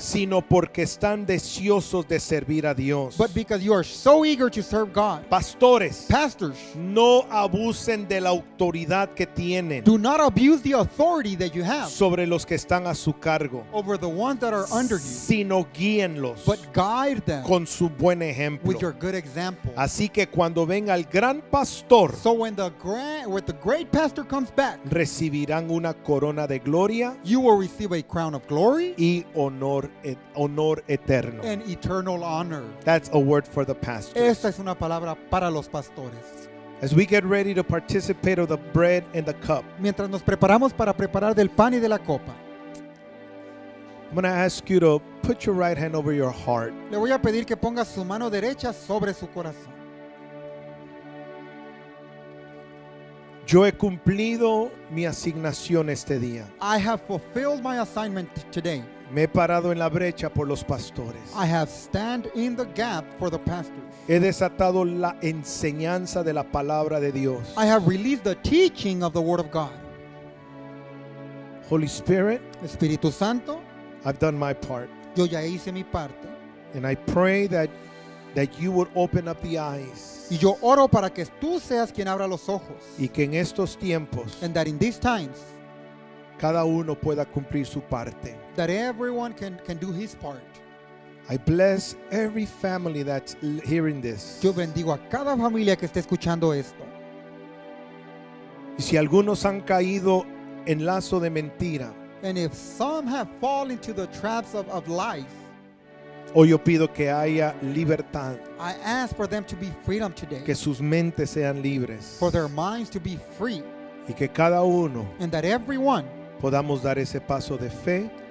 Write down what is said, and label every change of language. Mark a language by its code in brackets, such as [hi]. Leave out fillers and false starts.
[es] Sino porque están deseosos de servir a Dios. [en] But because you are so eager to serve God. [es] Pastores. [en] Pastors. [es] No abusen de la autoridad que tienen. [en] Do not abuse the authority that you have. [es] Sobre los que están a su cargo. [en] Over the ones that are under you. [es] Sino guíenlos. [en] But guide them. [es] Con su buen ejemplo. [en] With your good example. [es] Así que cuando venga el gran pastor, [en] so when the great pastor comes back, [es] recibirán una corona de gloria, [en] you will receive a crown of glory, [es] y honor eterno, [en] and eternal honor. That's a word for the pastor. [es] Esta es una palabra para los pastores. [en] As we get ready to participate of the bread and the cup, [es] mientras nos preparamos para preparar del pan y de la copa, [en] I'm going to ask you to put your right hand over your heart. [es] Le voy a pedir que ponga su mano derecha sobre su corazón. Yo he cumplido mi asignación este día. [en] I have fulfilled my assignment today. [es] Me he parado en la brecha por los pastores. [en] I have stand in the gap for the pastors. [es] He desatado la enseñanza de la palabra de Dios. [en] I have released the teaching of the word of God. Holy Spirit, [es] Espíritu Santo, [en] I've done my part. [es] Yo ya hice mi parte. [en] And I pray that you would open up the eyes. [es] Y yo oro para que tú seas quien abra los ojos. Y que en estos tiempos, [en] and that in these times, [es] cada uno pueda cumplir su parte. [en] That everyone can do his part. I bless every family that's hearing this. [es] Yo bendigo a cada familia que esté escuchando esto. Y si algunos han caído en lazo de mentira, [en] and if some have fallen into the traps of life, [es] hoy yo pido que haya libertad. [en] I ask for them to be freedom today. [es] Que sus mentes sean libres. [en] For their minds to be free. [es] Y que cada uno, [en] and that everyone, [es] podamos dar ese paso de fe.